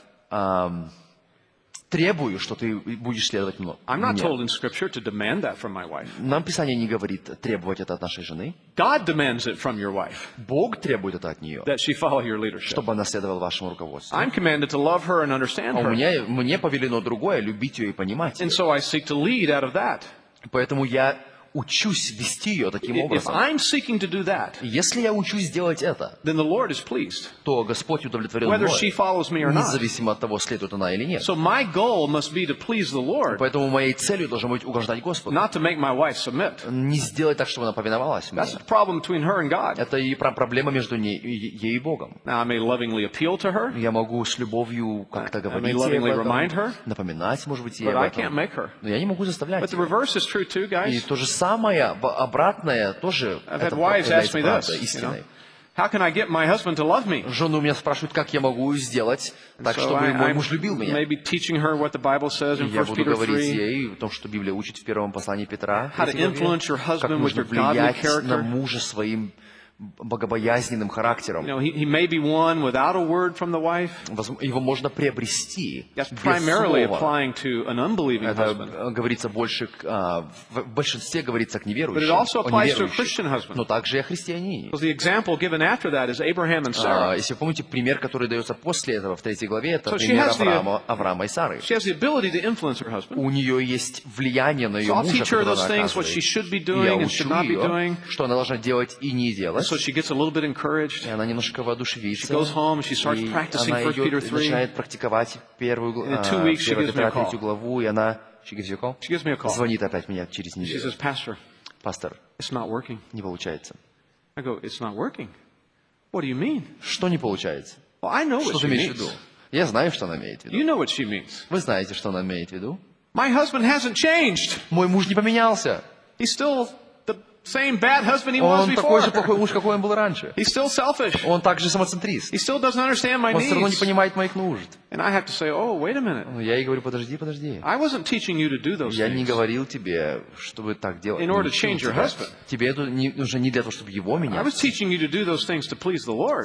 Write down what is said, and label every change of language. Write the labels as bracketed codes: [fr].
[ru] Я требую, что ты будешь следовать мне. [en] I'm not told in scripture to demand that from my wife. [ru] Нам Писание не говорит требовать это от нашей жены. [en] God demands it from your wife. [ru] Бог требует это от нее. [en] That she follow your leadership. [ru] Чтобы она следовала вашему руководству. [en] I'm commanded to love her and understand her. [ru] Мне повелено другое — любить ее и понимать ее. [en] And so I seek to lead out of that. [ru] Поэтому я учусь вести ее таким образом. Если я учусь делать это, [en] then the Lord is pleased, [ru] то Господь удовлетворен [en] whether she follows me or not. [ru] Независимо от того, следует она или нет. [en] So my goal must be to please the Lord, [ru] поэтому моей целью должно быть угождать Господу. [en] Not to make my wife submit. [ru] Не сделать так, чтобы она повиновалась [en] That's [ru] мне. [en] The problem between her and God. [ru] Это и проблема между ей и Богом. [en] Now I may lovingly appeal to her. [ru] Я могу с любовью как-то говорить [en] I may lovingly [ru] ей об этом, [en] remind her, [ru] напоминать, может быть, ей [en] but [ru] об этом. [en] I can't make her. [ru] Но я не могу заставлять [en] but the reverse [ru] ее. [en] Is true too, guys. [ru] И то же самое обратное тоже является истиной. Жены у меня спрашивают, как я могу сделать так, чтобы мой муж любил меня. Я буду говорить ей о том, что Библия учит в первом послании Петра, как нужно влиять на мужа своим богобоязненным характером. [en] He may be won without a word from the wife. [ru] Его можно приобрести без слова. [en] Primarily applying to an unbelieving husband. [ru] Это говорится больше в большинстве говорится к неверующим. [en] But it also applies to a Christian husband. [ru] Но также и о христианине. [en] Because the example given after that is Abraham and Sarah. [ru] Если вы помните пример, который дается после этого в третьей главе, это пример Авраама и Сары. [en] She has the ability to influence her husband. [ru] У нее есть влияние на ее мужа, которое она оказывает. [en] What she should be doing and should not be doing. [ru] Что она должна делать и не делать. [en] So she gets a little bit encouraged. [ru] И она немножко воодушевится. [en] She goes home and she starts practicing 1 Peter 3. [ru] И она начинает практиковать первую главу. [en] In 2 weeks she gives me a call. She gives you a call. She gives me a call. [ru] Звонит опять мне через неделю. [en] She says, Pastor. [ru] Пастор. [en] It's not working. [ru] Не получается. [en] I go, it's not working. What do you mean? [ru] Что не получается? [en] Well, I know what she means. [ru] Что ты имеешь в виду? Я знаю, что она имеет в виду. [en] You know what she means. [ru] Вы знаете, что она имеет в виду? [en] My husband hasn't changed. [ru] Мой муж не поменялся. [en] He's still same bad husband he was before. [ru] Он такой же плохой муж, какой он был раньше. [en] He's still selfish. [ru] Он также самоцентрист. [en] He still doesn't understand my needs. [ru] Он все равно не понимает моих нужд. [en] And I have to say, oh, wait a minute. [ru] Я ей говорю, подожди. [en] I wasn't teaching you to do those things. [ru] Я не говорил тебе, чтобы так делать. [en] In order to change your husband. [ru] Тебе это нужно не для того, чтобы его менять. [en] I was teaching you to do those things to please the Lord.